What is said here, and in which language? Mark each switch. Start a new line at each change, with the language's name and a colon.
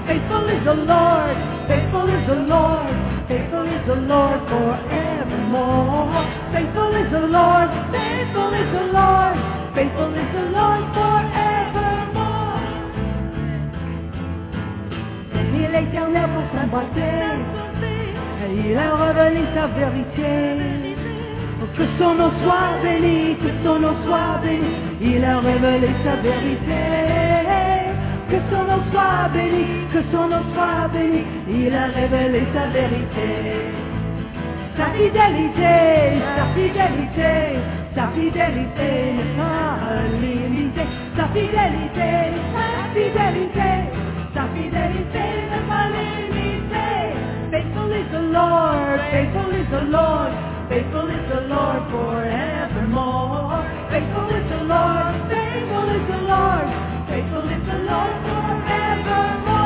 English: faithful is the Lord, faithful is the Lord, faithful is the Lord forevermore. Faithful is the Lord, faithful is the Lord, faithful is the Lord forevermore.
French: Il est éternel pour sa bonté, et il a revenu sa vérité. Que son nom soit béni, que son nom soit béni, il a révélé sa vérité. Que son nom soit béni, que son nom soit béni, il a révélé sa vérité. Sa fidélité, sa fidélité, sa fidélité n'est pas limitée. Sa fidélité, sa fidélité, sa fidélité n'est pas limitée.
English: Faithful is the Lord, faithful is the Lord. Faithful is the Lord forevermore. Faithful is the Lord, faithful is the Lord, faithful is the Lord forevermore.